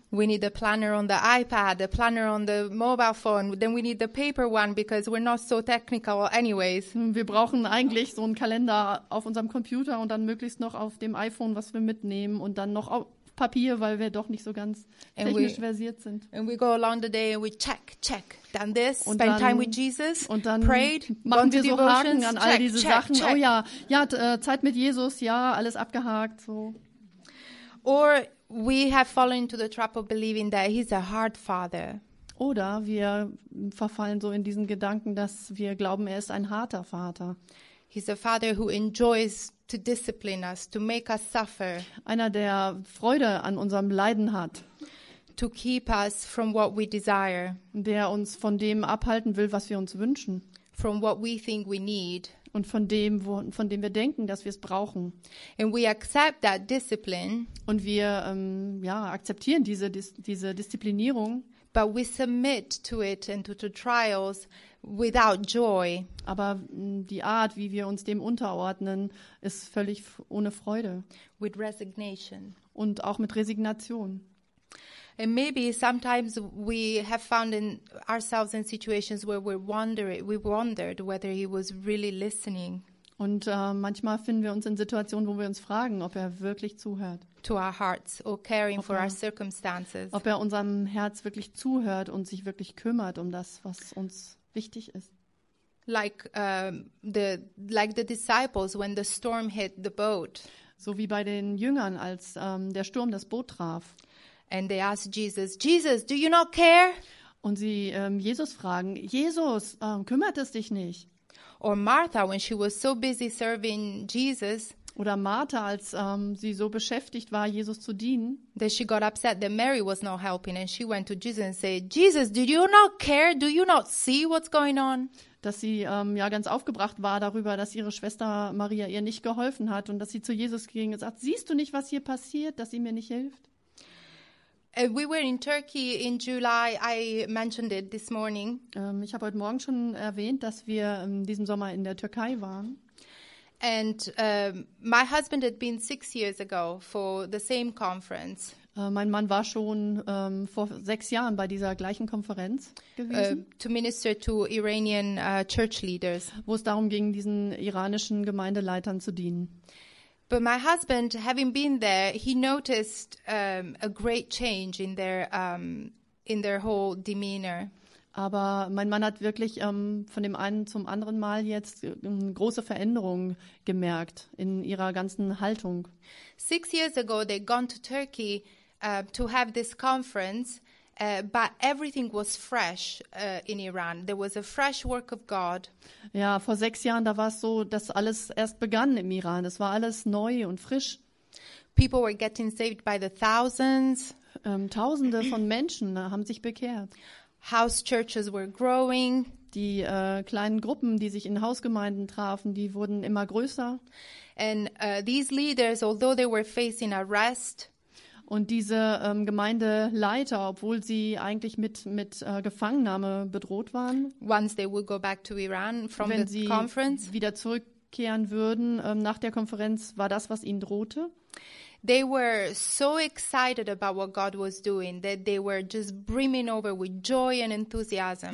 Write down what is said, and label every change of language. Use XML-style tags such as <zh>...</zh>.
<en>We need a planner on the iPad, a planner on the mobile phone, then we need the paper one because we're not so technical anyways.</en> <de>Wir brauchen eigentlich so einen Kalender auf unserem Computer und dann möglichst noch auf dem iPhone, was wir mitnehmen und dann noch Papier, weil wir doch nicht so ganz technisch versiert sind.</de> <en>And we go along the day and we check, done this, spend</en> <de>dann,</de> <en>time with Jesus,</en> <de>und dann</de> <en>prayed,</en> <de>machen wir so Haken an check, all diese check, Sachen. Check. Oh ja, ja, Zeit mit Jesus, ja, alles abgehakt, so.</de> <en>Or we have fallen into the trap of believing that he's a hard father.</en> <de>Oder wir verfallen so in diesen Gedanken, dass wir glauben, er ist ein harter Vater.</de> <en>He's a father who enjoys to discipline us, to make us suffer.</en> <de>Einer, der Freude an unserem Leiden hat.</de> <en>to keep us from what we desire.</en> <de>Der uns von dem abhalten will, was wir uns wünschen.</de> <en>From what we think we need.</en> <de>Und von dem, wo, von dem wir denken, dass wir es brauchen.</de> <en>And we accept that discipline.</en> <de>Und wir ja, akzeptieren diese Disziplinierung.</de> <en>But we submit to it and to the trials without joy.</en> <de>Aber die Art, wie wir uns dem unterordnen, ist völlig ohne Freude.</de> <en>With resignation.</en> <de>Und auch mit Resignation.</de> <en>And maybe sometimes we have found in ourselves in situations where we wondered whether he was really listening.</en> <de>Und manchmal finden wir uns in Situationen, wo wir uns fragen, ob er wirklich zuhört.</de> <en>To our hearts or caring for our circumstances.</en> <de>Ob er unserem Herz wirklich zuhört und sich wirklich kümmert um das, was uns wichtig ist.</de> <en>Like the disciples when the storm hit the boat.</en> <de>So wie bei den Jüngern, als der Sturm das Boot traf.</de> <en>And they ask Jesus, do you not care?</en> <de>Und sie Jesus fragen, Jesus, kümmert es dich nicht?</de> <en>Or Martha, when she was so busy serving Jesus.</en> <de>Oder Martha, als sie so beschäftigt war, Jesus zu dienen.</de> <en>That she got upset that Mary was not helping and she went to Jesus and said, Jesus, do you not care? Do you not see what's going on?</en> <de>Dass sie ja ganz aufgebracht war darüber, dass ihre Schwester Maria ihr nicht geholfen hat und dass sie zu Jesus ging und sagt, siehst du nicht, was hier passiert, dass sie mir nicht hilft?</de> <en>We were in Turkey in July. I mentioned it this morning.</en> <de>Ich habe heute Morgen schon erwähnt, dass wir diesen Sommer in der Türkei waren.</de> <en>And my husband had been 6 years ago for the same conference.</en> <de>Mein Mann war schon vor 6 Jahren bei dieser gleichen Konferenz gewesen.</de> <en>To minister to Iranian church leaders.</en> <de>Wo es darum ging, diesen iranischen Gemeindeleitern zu dienen.</de> <en>But my husband, having been there, he noticed a great change in their whole demeanor.</en> <de>Aber mein Mann hat wirklich von dem einen zum anderen Mal jetzt eine große Veränderung gemerkt in ihrer ganzen Haltung.</de> <en>6 years ago, they'd gone to Turkey to have this conference, but everything was fresh in Iran. There was a fresh work of God.</en> <de>Ja, vor 6 Jahren, da war es so, dass alles erst begann im Iran. Es war alles neu und frisch.</de> <en>People were getting saved by the thousands.</en> <de>Tausende von Menschen haben sich bekehrt.</de> <en>House churches were growing.</en> <de>Die kleinen Gruppen, die sich in Hausgemeinden trafen, die wurden immer größer.</de> <en>And these leaders, although they were facing arrest.</en> <de>Und diese Gemeindeleiter, obwohl sie eigentlich mit Gefangennahme bedroht waren,</de> <en>once they would go back to Iran from</en> <de>wenn</de> <en>the</en> <de>sie</de> <en>conference,</en> <de>wieder zurückkehren würden nach der Konferenz, war das, was ihnen drohte.</de> <en>They were so excited about what God was doing that they were just brimming over with joy and enthusiasm.</en>